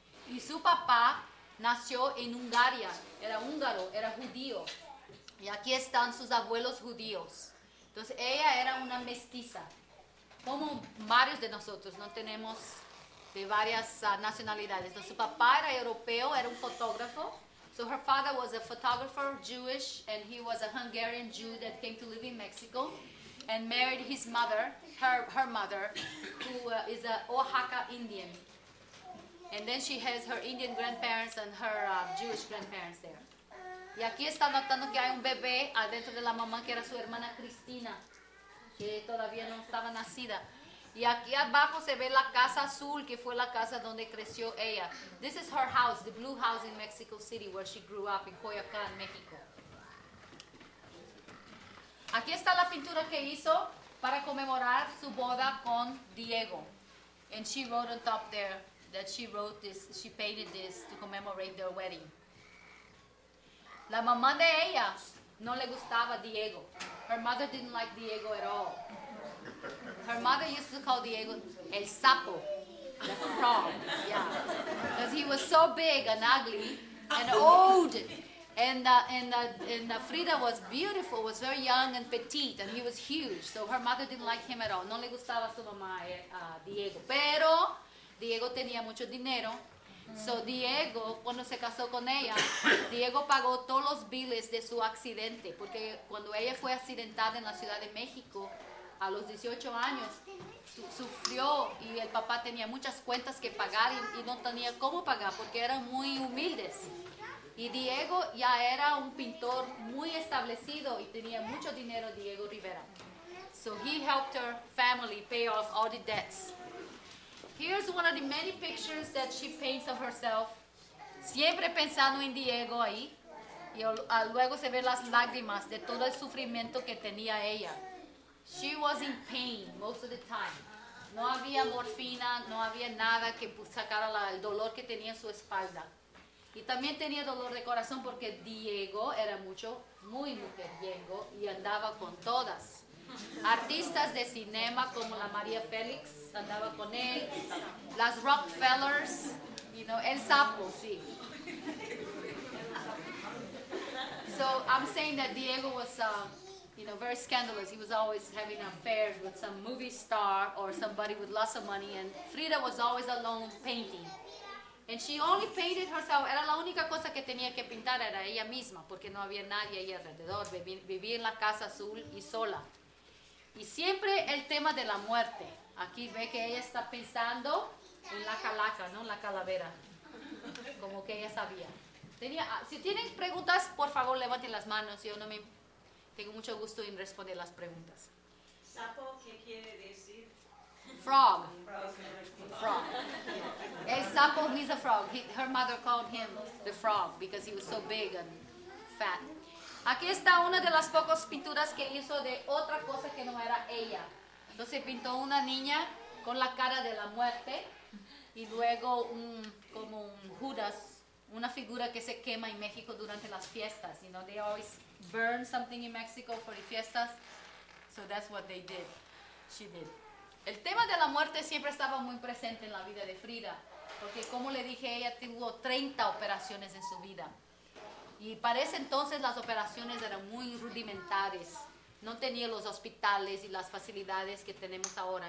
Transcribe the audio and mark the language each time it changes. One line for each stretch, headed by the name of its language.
Spanish: Y su papá nació en Hungaria, era húngaro, era judío. Y aquí están sus abuelos judíos. Entonces ella era una mestiza, como varios de nosotros, no tenemos de varias nacionalidades. Entonces, su papá era europeo, era un fotógrafo.
English: So her father was a photographer, Jewish, and he was a Hungarian Jew that came to live in Mexico and married his mother, her mother, who is an Oaxaca Indian. And then she has her Indian grandparents and her Jewish grandparents there.
Spanish: Y aquí está notando que hay un bebé adentro de la mamá que era su hermana Cristina, que todavía no estaba nacida. Y aquí abajo se ve la casa azul, que fue la casa donde creció ella.
English: This is her house, the blue house in Mexico City, where she grew up in Coyoacán, México.
Spanish: Aquí está la pintura que hizo para conmemorar su boda con Diego.
English: And she wrote on top there that she wrote this, she painted this to commemorate their wedding.
Spanish: La mamá de ella no le gustaba Diego.
English: Her mother didn't like Diego at all. Her mother used to call Diego
Spanish: el sapo,
English: the frog, yeah, because he was so big and ugly and old, and Frida was beautiful, was very young and petite, and he was huge, so her mother didn't like him at all.
Spanish: No le gustaba su mamá Diego, pero Diego tenía mucho dinero,
English: so
Spanish: Diego, cuando se casó con ella, Diego pagó todos los biles de su accidente, porque cuando ella fue accidentada en la Ciudad de México, a los 18 años, sufrió y el papá tenía muchas cuentas que pagar y no tenía cómo pagar porque eran muy humildes. Y Diego ya era un pintor muy establecido y tenía mucho dinero, Diego Rivera.
English: So he helped her family pay off all the debts. Here's one of the many pictures that she paints of herself.
Spanish: Siempre pensando en Diego ahí. Y luego se ven las lágrimas de todo el sufrimiento que tenía ella.
English: She was in pain most of the time.
Spanish: No había morfina, no había nada que sacara el dolor que tenía en su espalda. Y también tenía dolor de corazón porque Diego era mucho, muy mujeriego y andaba con todas. Artistas de cinema como la María Félix andaba con él. Las Rockefellers,
English: you know,
Spanish: el sapo, sí.
English: So I'm saying that Diego was... you know, very scandalous. He was always having affairs with some movie star or somebody with lots of money. And Frida was always alone painting. And she only painted herself.
Spanish: Era la única cosa que tenía que pintar era ella misma, porque no había nadie ahí alrededor. Vivía en la casa azul y sola. Y siempre el tema de la muerte. Aquí ve que ella está pensando en la calaca, no en la calavera. Como que ella sabía. Tenía, si tienen preguntas, por favor, levanten las manos. Yo no me... Tengo mucho gusto en responder las preguntas. ¿Sapo qué quiere decir?
English: Frog. Frog.
Spanish: El sapo,
English: he's a frog. Her mother called him the frog because he was so big and fat.
Spanish: Aquí está una de las pocas pinturas que hizo de otra cosa que no era ella. Entonces pintó una niña con la cara de la muerte y luego un, como un Judas, una figura que se quema en México durante las fiestas.
English: You know, they always burn something in Mexico for the fiestas. So that's what they did. She did.
Spanish: El tema de la muerte siempre estaba muy presente en la vida de Frida, porque como le dije, ella tuvo 30 operaciones en su vida. Y para ese entonces las operaciones eran muy rudimentarias. No tenía los hospitales y las facilidades que tenemos ahora.